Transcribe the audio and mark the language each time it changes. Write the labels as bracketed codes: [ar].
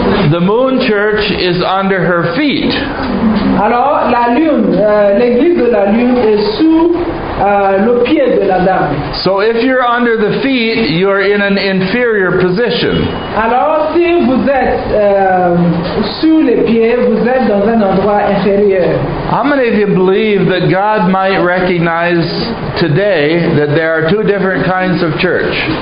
[en] The moon church is under her feet. [fr] Alors la lune, l'église de la lune est sous le pied de la dame. [en] So if you're under the feet, you're in an inferior position. [fr] Alors si vous êtes sous les pieds, vous êtes dans un endroit inférieur. [en] How many of you believe that God might recognize today that there are two different kinds of church?